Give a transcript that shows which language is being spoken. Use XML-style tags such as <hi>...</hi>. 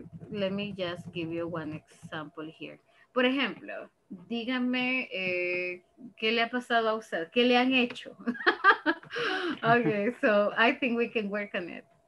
<en>Let me just give you one example here.</en> <es>Por ejemplo, dígame, ¿qué le ha pasado a usted? ¿Qué le han hecho?</es> <en>Okay, so I think we can work on it.</en>